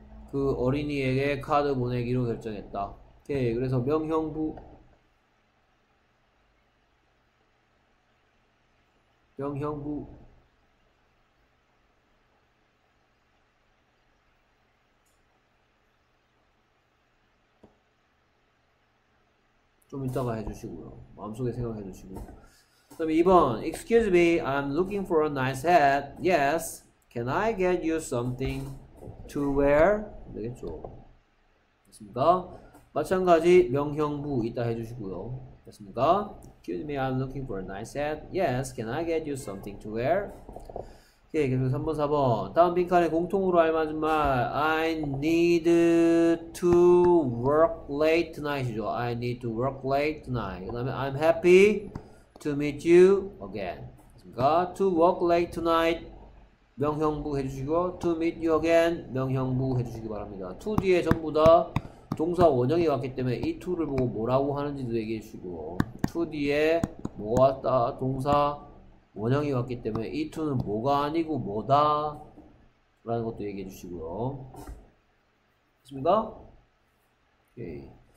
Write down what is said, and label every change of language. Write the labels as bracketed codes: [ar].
[ko] 그 어린이에게 카드 보내기로 결정했다. 오케이, okay, 그래서 명형부 좀 이따가 해주시고요. 마음속에 생각해 주시고. 그럼 2번. [en] Excuse me, I'm looking for a nice hat. Yes, can I get you something to wear? [ko] 되겠죠. 됐습니까? 마찬가지 명형부 이따 해주시고요. 됐습니까? [en] Excuse me, I'm looking for a nice hat. Yes, can I get you something to wear? [ko] 오케이, 계속 3번, 4번. 다음 빈칸에 공통으로 알맞은 말. [en] I need to work late tonight이죠. I need to work late tonight. [ko] 그 다음에 [en] I'm happy to meet you again. [ko] 그러니까 [en] to work late tonight. [ko] 명형부 해주시고 [en] to meet you again [ko] 명형부 해주시기 바랍니다. to 뒤에 전부 다 동사 원형이 왔기 때문에 이 to를 보고 뭐라고 하는지도 얘기해 주시고 to 뒤에 뭐가 왔다 동사 원형이 왔기 때문에 이 to는 뭐가 아니고 뭐다 라는 것도 얘기해 주시고요. 됐습니까? 오케이.